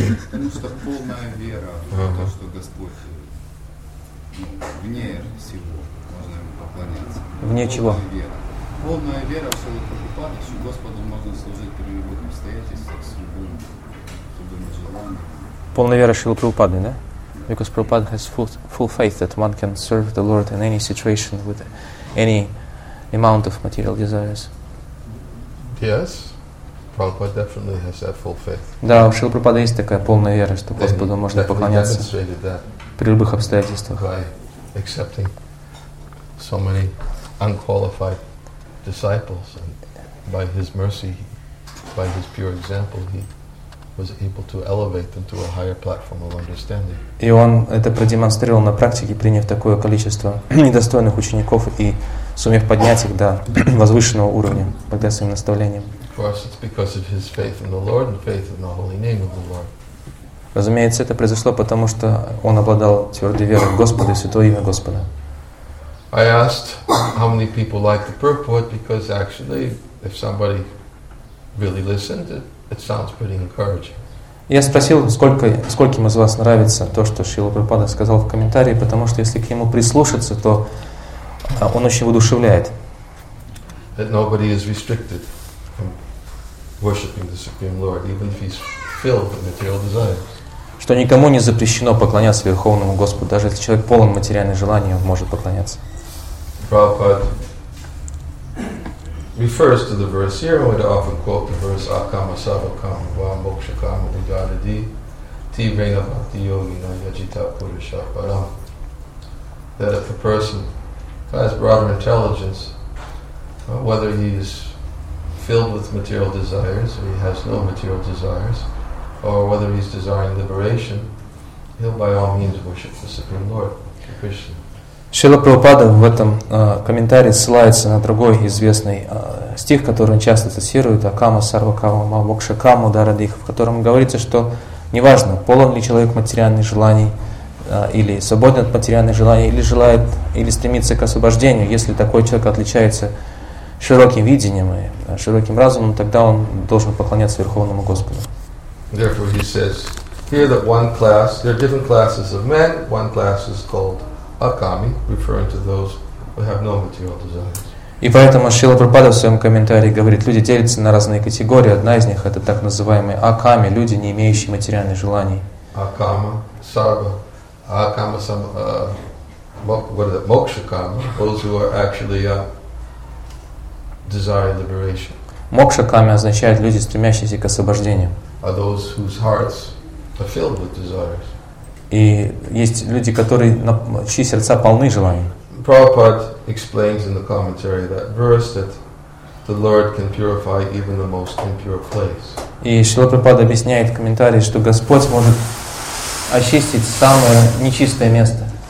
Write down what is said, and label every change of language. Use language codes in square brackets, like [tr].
[ru] Потому что полная вера в то, что Господь вне всего можно ему поклоняться. Вне чего? Полная вера в Шрилу Прабхупаду, что Господу можно служить при любых обстоятельствах, с любым трудом и желанием. Полная вера в Шрилу Прабхупаду, да? [en] Because Prabhupada has full faith that one can serve the Lord in any situation with any amount of material desires. Yes, Prabhupada definitely has that full faith. [ru] Да, у Шрилу Прабхупады есть такая полная вера, что Господу можно поклоняться при любых обстоятельствах. [en] By accepting so many unqualified disciples, and by his mercy, by his pure example, he was able to elevate them to a higher platform of understanding. [ru] И он это продемонстрировал на практике, приняв такое количество недостойных учеников и сумев поднять их до возвышенного уровня благодаря своим наставлениям. [en] Of course, it's because of his faith in the Lord and faith in the holy name of the Lord. [ru] Разумеется, это произошло потому, что он обладал твердой верой в Господа и святое имя Господа. [en] I asked how many people like the purport, because actually, if somebody really listened, it sounds pretty encouraging. [ru] Я спросил, скольким из вас нравится то, что Шрила Прабхупада сказал в комментарии, потому что если к нему прислушаться, то он очень воодушевляет. [en] That nobody is restricted from worshiping the Supreme Lord, even if he's filled with material desires. [ru] Что никому не запрещено поклоняться Верховному Господу, даже если человек полон материальных желаний, он может поклоняться. [en] Prabhupada refers to the verse here, and we often quote the verse [sa] Akama Savakam Vamoksha Kama Udadadi Ti Vena Bhakti Yogina Yajita Purusha Param. [en] That if a person has broader intelligence, whether he is filled with material desires or he has no material desires, or whether he's desiring liberation, he'll by all means worship the Supreme Lord, Krishna. [ru] Шрила Прабхупада в этом комментарии ссылается на другой известный стих, который он часто цитирует, [sa] Акама Сарвакама Мамокша Каму Дарадих, [ru] в котором говорится, что неважно, полон ли человек материальных желаний, или свободен от материальных желаний, или желает, или стремится к освобождению, если такой человек отличается широким видением и широким разумом, тогда он должен поклоняться Верховному Господу. [en] Therefore, he says here that one class, there are different classes of men. One class is called akami, referring to those who have no material desires. [ru] И поэтому Шрила Прабхупада в своем комментарии говорит, люди делятся на разные категории. Одна из них это так называемые аками, люди не имеющие материальных желаний. [en] Akama, sarva, akama sam, what is it, moksha kama, those who are actually desire liberation. [ru] Мокша кама означает люди, стремящиеся к освобождению. [en] Are those whose hearts are filled with desires. [ru] И есть люди, которые, чьи сердца полны желаний. [en] Prabhupada explains in the commentary that verse that the Lord can purify even the most impure place. [ru] И Шрила Прабхупада объясняет в комментарии, что Господь может очистить самое нечистое место.